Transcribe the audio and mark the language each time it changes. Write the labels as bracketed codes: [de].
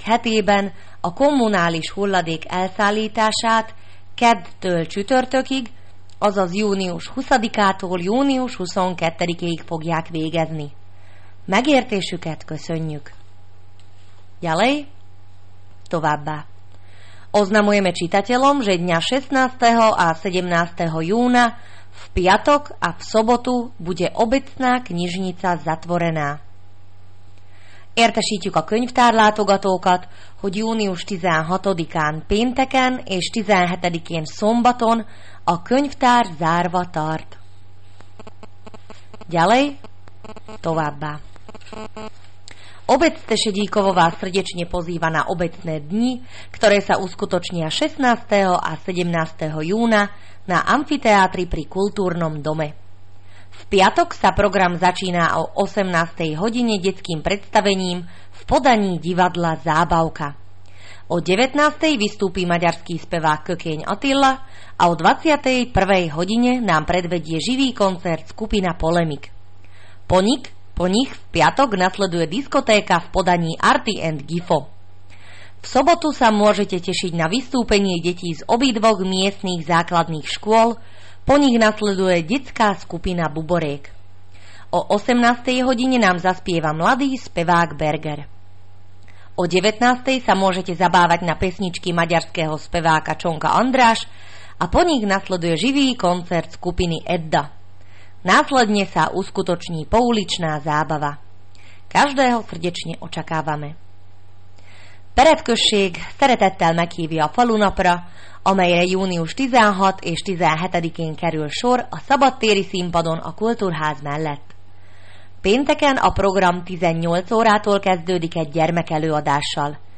[hu] hetében a kommunális hulladék elszállítását keddtől csütörtökig, azaz június 20-ától június 22-ig fogják végezni. Megértésüket köszönjük. [sk] Ďalej, [hu] továbbá. [sk] Oznamujeme čitateľom, že dňa 16. a 17. júna v piatok a v sobotu bude obecná knižnica zatvorená. [hu] Értesítjük a könyvtárlátogatókat, hogy június 16-án pénteken és 17-én szombaton a könyvtár zárva tart. [sk] Ďalej, [hu] továbbá. [sk] Obec Tešedíkovo vás srdečne pozýva na obecné dni, ktoré sa uskutočnia 16. a 17. júna na amfiteátri pri kultúrnom dome. V piatok sa program začína o 18. hodine detským predstavením v podaní divadla Zábavka. O 19. vystúpi maďarský spevák Kökeň Attila a o 21. hodine nám predvedie živý koncert skupina Polemik. Po nich v piatok nasleduje diskotéka v podaní Arty and Gifo. V sobotu sa môžete tešiť na vystúpenie detí z obidvoch miestnych základných škôl, po nich nasleduje detská skupina Buboriek. O 18. hodine nám zaspieva mladý spevák Berger. O 19. sa môžete zabávať na pesničky maďarského speváka Čonka Andráš a po nich nasleduje živý koncert skupiny Edda. Následne sa uskutoční pouličná zábava. Každého srdečne očakávame. [hu] Peredkösség szeretettel meghívja a falunapra, amelyre június 16 és 17-én kerül sor a szabadtéri színpadon a kultúrház mellett. Pénteken a program 18 órától kezdődik egy gyermekelőadással.